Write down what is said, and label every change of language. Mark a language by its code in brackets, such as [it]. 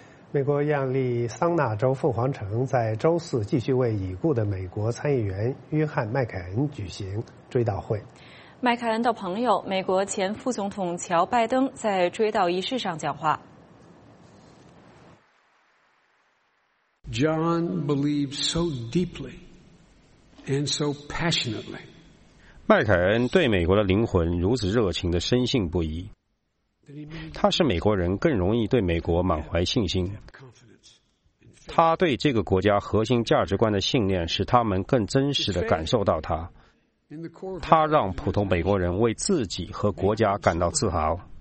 [zh] 美国亚利桑那州凤凰城在周四继续为已故的美国参议员约翰·麦凯恩举行追悼会。麦凯恩的朋友、美国前副总统乔·拜登在追悼仪式上讲话。 [en] John believes so deeply and so passionately. [zh] 麦凯恩对美国的灵魂如此热情地深信不疑。他是美国人更容易对美国满怀信心，他对这个国家核心价值观的信念使他们更真实地感受到他，他让普通美国人为自己和国家感到自豪。